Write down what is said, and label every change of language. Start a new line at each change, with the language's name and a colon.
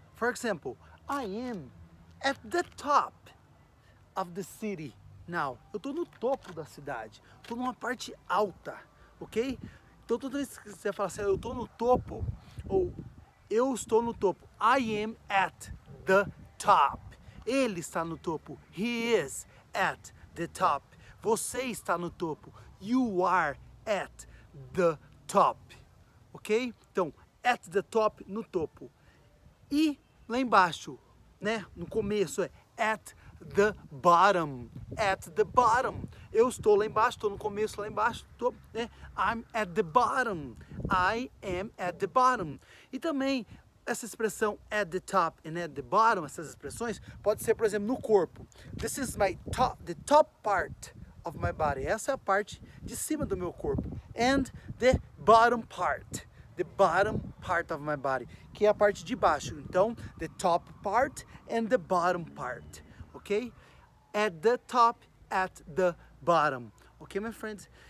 English: For example, I am at the top of the city.
Portuguese: Now, eu tô no topo da cidade. Tô numa parte alta, ok? Então, toda vez que você fala assim, eu tô no topo, ou eu estou no topo.
English: I am at the top.
Portuguese: Ele está no topo.
English: He is at the top.
Portuguese: Você está no topo.
English: You are at the top. Ok?
Portuguese: Então, at the top, no topo. E lá embaixo, né? No começo é
English: at the bottom. At the bottom.
Portuguese: Eu estou lá embaixo, estou no começo lá embaixo. Tô, né?
English: I'm at the bottom. I am at the bottom.
Portuguese: E também, essa expressão at the top and at the bottom, essas expressões, pode ser, por exemplo, no corpo.
English: This is my top, the top part of my body.
Portuguese: Essa é a parte de cima do meu corpo.
English: And the bottom part. The bottom part of my body.
Portuguese: Que é a parte de baixo. Então,
English: the top part and the bottom part.
Portuguese: Ok?
English: At the top, at the bottom. Ok, my friends?